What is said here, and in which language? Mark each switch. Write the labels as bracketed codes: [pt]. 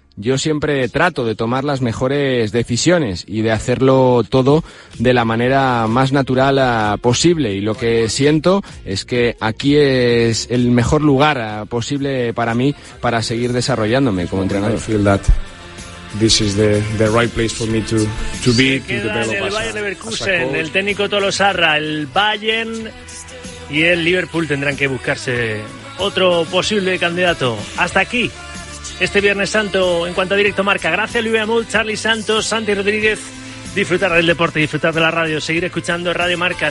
[es] Yo siempre trato de tomar las mejores decisiones y de hacerlo todo de la manera más natural posible. Y lo que siento es que aquí es el mejor lugar posible para mí para seguir desarrollándome como entrenador. [en] This is the right place for me to be. [es] Se queda en el Bayern Leverkusen, el técnico Tolosarra, el Bayern y el Liverpool tendrán que buscarse otro posible candidato. Hasta aquí, este Viernes Santo, en cuanto a Directo Marca. Gracias, Luis Amul, Charlie Santos, Santi Rodríguez. Disfrutar del deporte, disfrutar de la radio, seguir escuchando Radio Marca.